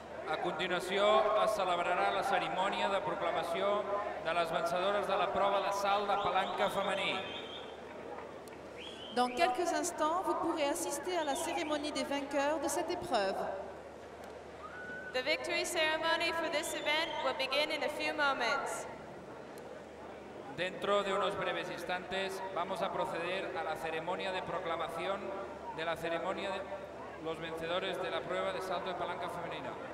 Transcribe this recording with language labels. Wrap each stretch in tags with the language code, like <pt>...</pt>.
<ca>A continuació es celebrarà la cerimònia de proclamació de les vencedores de la prova de salt de palanca femení.</ca> <fr>Dans quelques instants, vous pourrez assister à la cérémonie des vainqueurs de cette épreuve.</fr> <en>The victory ceremony for this event will begin in a few moments.</en> <es>Dentro de unos breves instantes vamos a proceder a la ceremonia de proclamación de la cerimònia de los vencedores de la prueba de salto de palanca femenina.</es>